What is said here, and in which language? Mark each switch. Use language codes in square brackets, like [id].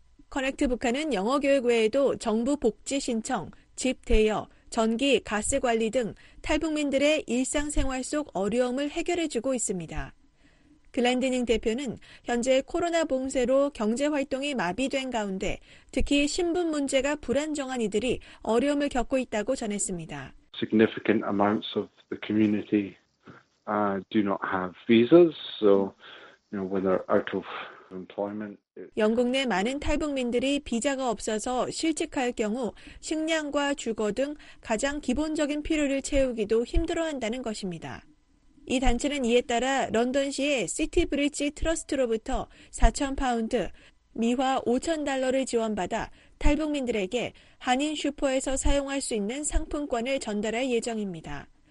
[ko] 커넥트 북한은 영어 교육 외에도 정부 복지 신청, 집 대여, 전기, 가스 관리 등 탈북민들의 일상생활 속 어려움을 해결해주고 있습니다. 글랜디닝 대표는 현재 코로나 봉쇄로 경제활동이 마비된 가운데 특히 신분 문제가 불안정한 이들이 어려움을 겪고 있다고 전했습니다. [en] Significant amounts of the community do not have visas, so you know, when they're out of employment. [ko] 영국 내 많은 탈북민들이 비자가 없어서 실직할 경우 식량과 주거 등 가장 기본적인 필요를 채우기도 힘들어한다는 것입니다. 이 단체는 이에 따라 런던시의 시티 브릿지 트러스트로부터 4천 파운드, 미화 5천 달러를 지원받아 탈북민들에게 한인 슈퍼에서 사용할 수 있는 상품권을 전달할 예정입니다.